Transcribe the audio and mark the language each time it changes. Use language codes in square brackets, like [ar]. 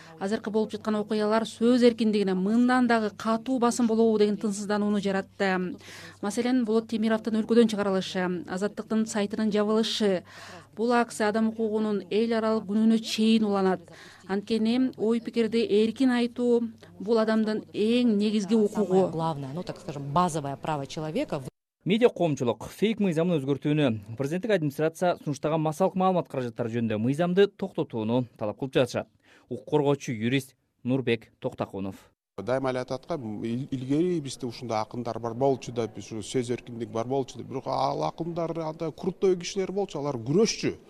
[ky] Азыркы болуп жаткан окуялар сөз эркиндигине мындан дагы катуу басым болобу деген тынсыздануну жаратты. Маселен, Болот Темировдун өлкөдөн чыгарылышы, Азаттыктын сайтынын жабылышы. Бул акция адам укугунун эл аралык күнүнө чейин уланат. Анткени ой пикирди эркин айтуу бул адамдын эң негизги укугу. [ru] Главное, ну так скажем, базовое право человека. [ky] Медиа коомчулук фейк мыйзамын өзгөртүүнү, президенттик администрация сунуштаган массалык маалымат каражаттары жөнүндө мыйзамды токтотууну талап кылып жатышат. Укук коргоочу юрист Нурбек Токтокунов. Дайыма эле айтып аткам, илгери бизде ушундай акындар бар болчу да, ушу сөз эркиндиги бар болчу деп, бирок ал акындар андай крутой кишилер болчу, алар күрөшчү.